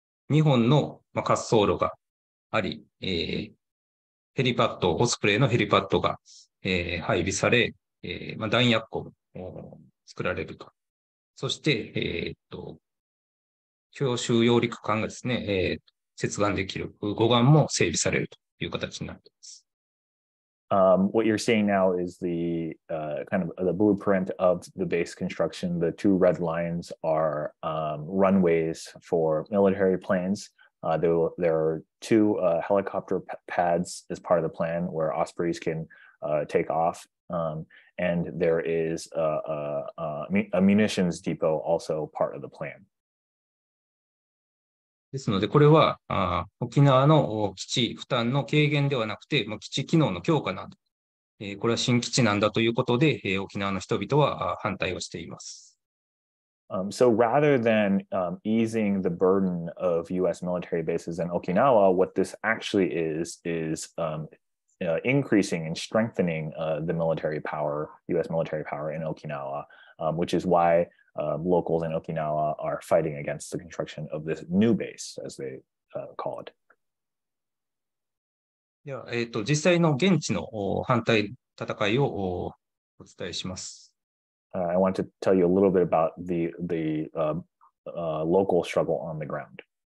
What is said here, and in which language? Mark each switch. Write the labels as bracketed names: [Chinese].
[Japanese] 日本の、まあ、滑走路があり、ヘリパッド、オスプレイのヘリパッドが、配備され、まあ、弾薬庫も作られると。そして、強襲揚陸艦がですね、接岸できる護岸も整備されるという形になっています。 [English] What you're seeing now is the kind of the blueprint of the base construction. The two red lines are runways for military planes. There are two helicopter pads as part of the plan where Ospreys can take off. And there is a munitions depot also part of the plan. [Japanese] ですので、これは沖縄の基地負担の軽減ではなくて、基地機能の強化なんだ。これは新基地なんだということで、沖縄の人々は反対をしています。 [English] So rather than easing the burden of U.S. military bases in Okinawa, what this actually is increasing and strengthening the military power, U.S. military power in Okinawa, which is why locals in Okinawa are fighting against the construction of this new base, as they call it. [Japanese] では、実際の現地の反対戦いをお伝えします。 [English] I want to tell you a little bit about the local struggle on the ground.